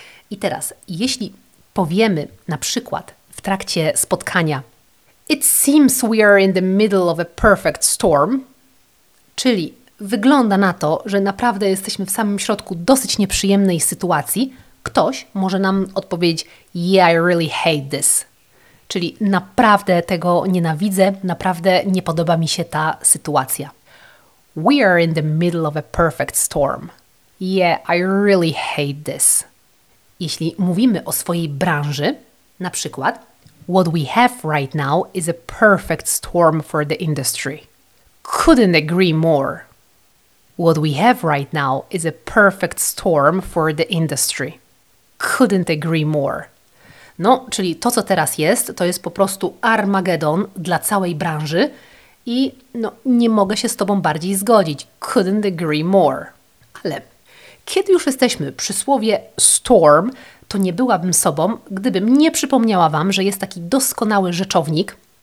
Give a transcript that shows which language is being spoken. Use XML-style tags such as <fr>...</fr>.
<pl>I teraz, jeśli powiemy na przykład w trakcie spotkania</pl> <en>It seems we are in the middle of a perfect storm,</en> <pl>czyli wygląda na to, że naprawdę jesteśmy w samym środku dosyć nieprzyjemnej sytuacji, ktoś może nam odpowiedzieć</pl> <en>Yeah, I really hate this,</en> <pl>czyli naprawdę tego nienawidzę, naprawdę nie podoba mi się ta sytuacja.</pl> <en>We are in the middle of a perfect storm. Yeah, I really hate this.</en> <pl>Jeśli mówimy o swojej branży, na przykład</pl> <en>What we have right now is a perfect storm for the industry. Couldn't agree more. What we have right now is a perfect storm for the industry. Couldn't agree more.</en> <pl>No, czyli to, co teraz jest, to jest po prostu Armagedon dla całej branży i no, nie mogę się z Tobą bardziej zgodzić.</pl> <en>Couldn't agree more.</en> <pl>Ale kiedy już jesteśmy przy słowie storm, to nie byłabym sobą, gdybym nie przypomniała Wam, że jest taki doskonały rzeczownik.</pl>